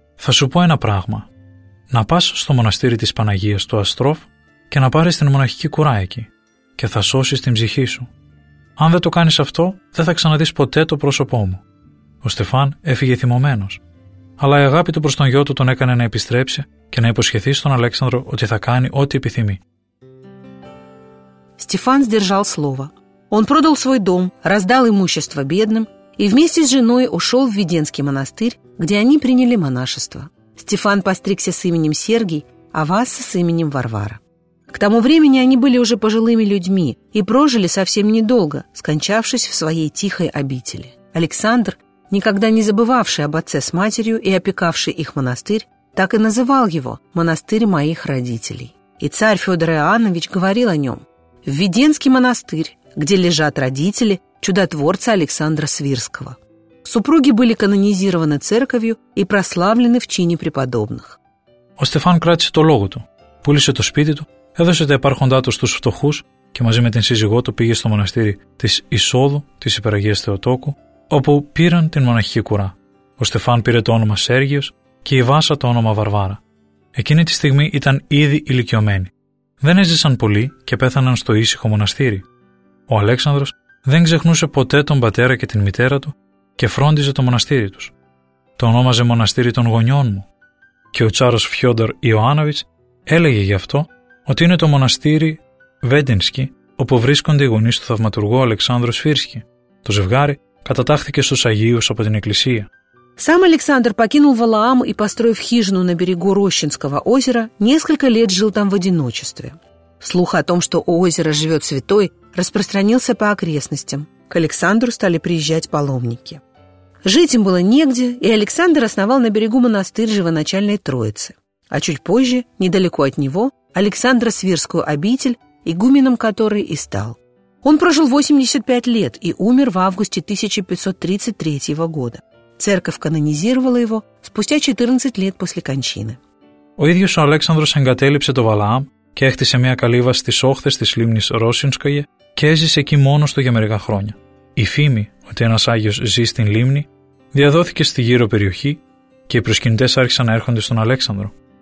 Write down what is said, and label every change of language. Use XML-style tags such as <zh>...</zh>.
<el>Θα σου πω ένα πράγμα. Να πας στο μοναστήρι της Παναγίας του Αστρόφ και να πάρεις την μοναχική κουρά εκεί και θα σώσεις την ψυχή σου. Αν δεν το κάνεις αυτό, δεν θα ξαναδείς ποτέ το πρόσωπό μου. Ο Στεφάν έφυγε θυμωμένος. Αλλά η αγάπη του προς τον γιο του τον έκανε να επιστρέψει και να υποσχεθεί στον Αλέξανδρο ότι θα κάνει ό,τι επιθυμεί.</el> <ru>Стефан сдержал слово. Он продал свой дом, раздал имущество бедным и вместе с женой ушел в Веденский монастырь, где они приняли монашество. Стефан постригся с именем Сергий, а Васа с именем Варвара. К тому времени они были уже пожилыми людьми и прожили совсем недолго, скончавшись в своей тихой обители. Александр, никогда не забывавший об отце с матерью и опекавший их монастырь, так и называл его «Монастырь моих родителей». И царь Федор Иоаннович говорил о нем: «Введенский монастырь, где лежат родители чудотворца Александра Свирского». Супруги были канонизированы церковью и прославлены в чине преподобных.</ru> <el>Ο Στεφάν κράτησε το λόγο του, πούλησε το σπίτι του, έδωσε τα υπάρχοντά του στους φτωχούς και μαζί με την σύζυγό του πήγε στο μοναστήρι της Εισόδου της Υπεραγίας Θεοτόκου, όπου πήραν την μοναχική κουρά. Ο Στεφάν πήρε το όνομα Σέργιος και η Βάσα το όνομα Βαρβάρα. Εκείνη τη στιγμή ήταν ήδη ηλικιωμένοι. δεν έζησαν πολύ και πέθαναν στο ήσυχο μοναστήρι. Ο Αλέξανδρος δεν ξεχνούσε ποτέ τον πατέρα και την μητέρα του και φρόντιζε το μοναστήρι τους. Το ονόμαζε μοναστήρι των γονιών μου. Και ο τσάρος Φιόντορ Ιωάνοβιτς έλεγε γι' αυτό ότι είναι το μοναστήρι Βέντινσκι, όπου βρίσκονται οι γονείς του θαυματουργού Αλεξάνδρου Σφύρσκι. Το ζευγάρι κατατάχθηκε στους Αγίους από την Εκκλησία.</el> <ru>Сам Александр покинул Валаам и, построив хижину на берегу Рощинского озера, несколько лет жил там в одиночестве. Слух о том, что у озера живет святой, распространился по окрестностям. К Александру стали приезжать паломники. Жить им было негде, и Александр основал на берегу монастырь Живоначальной Троицы. А чуть позже, недалеко от него, Александро-Свирскую обитель, игуменом которой и стал. Он прожил 85 лет и умер в августе 1533 года. Церковь канонизировала его спустя 14 лет после кончины.</ru> <el>Ο ίδιος ο Αλέξανδρος εγκατέλειψε το Βαλαάμ και έχτισε μια καλύβα στις όχθες της λίμνης Ρόσινσκαγε και έζησε εκεί μόνος του για μερικά χρόνια. Η φήμη ότι ένας Άγιος ζει στην λίμνη διαδόθηκε στη γύρω περιοχή και οι προσκυνητές άρχισαν να έρχονται στον Αλέξανδρο.</el>